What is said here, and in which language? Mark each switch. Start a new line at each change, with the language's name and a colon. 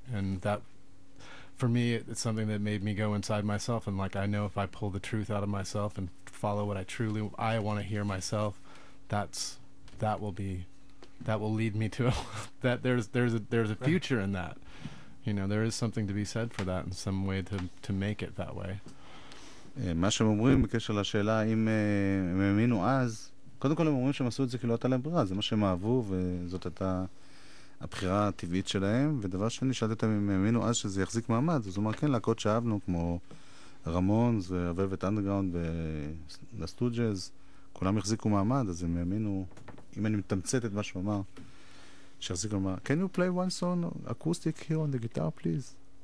English: And that, for me, it's something that made me go inside myself, and like, I know if I pull the truth out of myself and follow what I want to hear myself, that will lead me to that there's a future in that, you know. There is something to be said for that, in some way to make it that way.
Hebrew: מה שהם אומרים בקשר לשאלה אם הם האמינו אז, קודם כל הם אומרים שהם עשו את זה כי לא הייתה להם ברירה, זה מה שהם אהבו וזאת הייתה הבחירה הטבעית שלהם. ודבר שני, שאלתי אותם אם הם האמינו אז שזה יחזיק מעמד, אז הוא אומר כן, להקות שאהבנו כמו רמונס ורבבת אנדרגאונד והסטוג'ז, כולם יחזיקו מעמד, אז הם האמינו, אם אני מתמצת את מה שהוא אמר, שיחזיקו מעמד.
English: Can you play one song acoustic here on the guitar, please?